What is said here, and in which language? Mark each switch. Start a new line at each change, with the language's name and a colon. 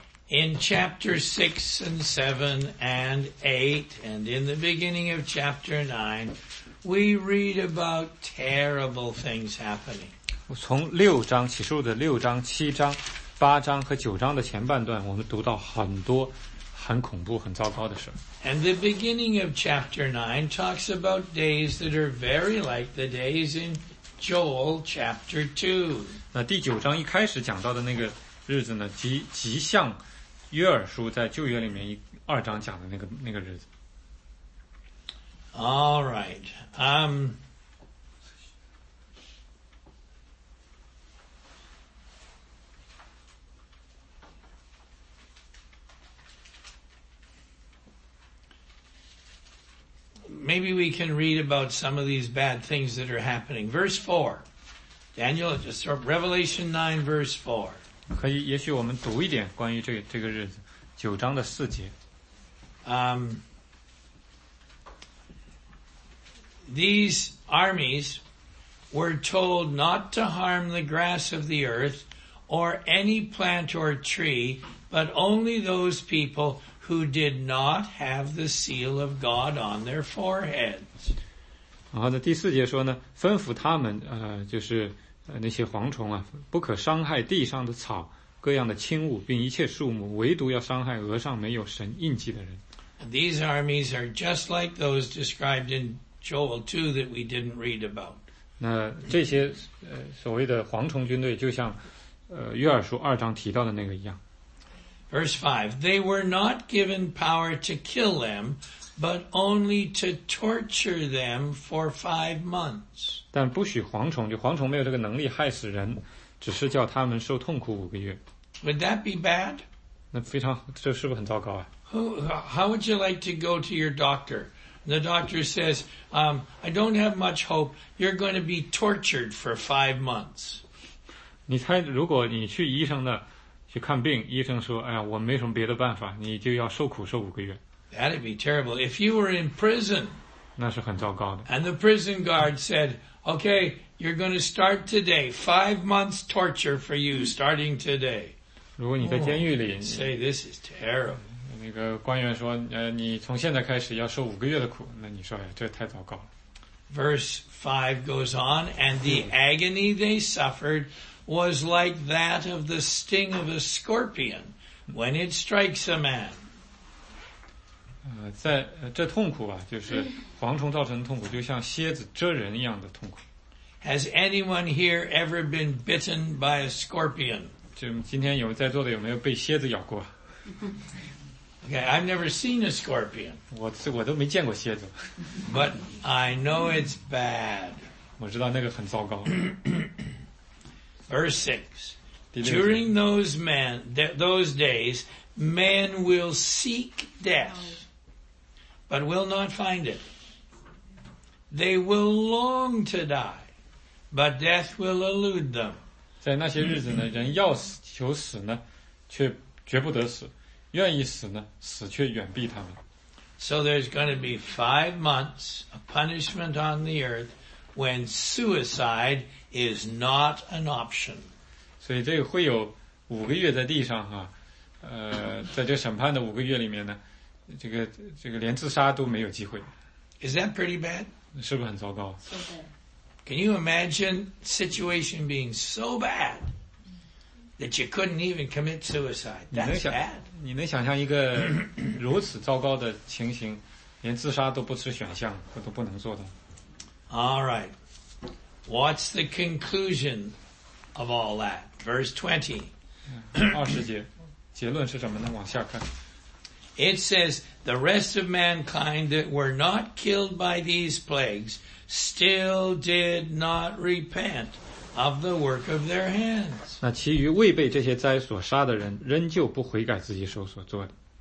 English: In chapter 6 and 7 and 8 and in the beginning of chapter 9, we read about terrible things happening.
Chinese: 从六章启示录的六章、七章、八章和九章的前半段，我们读到很多很恐怖、很糟糕的事。
English: And the beginning of chapter 9 talks about days that are very like the days in Joel chapter 2.
Chinese: 那第九章一开始讲到的那个日子呢，极像约珥书在旧约里面二章讲的那个日子。
English: All right. Maybe we can read about some of these bad things that are happening. Verse 4. Daniel, just Revelation 9, verse 4.
Chinese: 可以，也许我们读一点关于这个日子，九章的四节。
English: These armies were told not to harm the grass of the earth or any plant or tree, but only those people who did not have the seal of God on their foreheads.
Chinese: 然后呢，第四节说呢，吩咐他们就是那些蝗虫啊，不可伤害地上的草、各样的青物，并一切树木，唯独要伤害额上没有神印记的人。
English: These armies are just like those described in Joel 2 that we didn't read about.
Chinese: 那这些所谓的蝗虫军队，就像约珥书二章提到的那个一样。
English: Verse 5, they were not given power to kill them, but only to torture them for 5 months.
Chinese: 但不许蝗虫，就蝗虫没有这个能力害死人，只是叫他们受痛苦五个月。
English: Would that be bad?
Chinese: 那非常，这是不是很糟糕啊？
English: How would you like to go to your doctor? The doctor says, I don't have much hope. You're going to be tortured for 5 months.
Chinese: 你猜，如果你去医生那去看病，医生说，哎呀，我没什么别的办法，你就要受苦受五个月。
English: That'd be terrible. If you were in prison,
Chinese: 那是很糟糕的。
English: And the prison guard said, okay, you're going to start today. 5 months torture for you starting today.
Chinese: 如果你在监狱里、oh,
English: say this is terrible.
Chinese: 那个官员说、你从现在开始要受五个月的苦，那你说、哎、这太糟糕了。
English: Verse 5 goes on, and the agony they suffered was like that of the sting of a scorpion when it strikes a man.
Chinese: 在这痛苦啊，就是蝗虫造成的痛苦，就像蝎子蜇人一样的痛苦。
English: Has anyone here ever been bitten by a scorpion?
Chinese: 就今天有在座的有没有被蝎子咬过？
English: Okay, I've never seen a scorpion.
Chinese: 我都没见过蝎子。
English: But I know it's bad.
Chinese: 我知道那个很糟糕。
English: Verse 6. During those days, men will seek death, but will not find it. They will long to die, but death will elude them.
Chinese: 在那些日子呢，人要死，求死呢，却绝不得死。愿意死呢，死却远避他们。
English: So there's going to be 5 months of punishment on the earth when suicide is not an option.
Chinese: 所以这个会有五个月在地上哈、在这审判的五个月里面呢，这个连自杀都没有机会。
English: Is that pretty bad?
Chinese: 是不是很糟糕
English: ？So bad. Can you imagine situation being so bad that you couldn't even commit suicide? That's bad.
Chinese: 你能想象一个如此糟糕的情形，连自杀都不是选项，我都不能做的。
English: All right, what's the conclusion of all that? Verse 20.
Chinese: 二十节，结论是什么呢？往下看。
English: It says the rest of mankind that were not killed by these plagues still did not repent. Of the work of their hands.
Chinese: 那其余未被这些灾所杀的人，仍旧不悔改自己手所做的。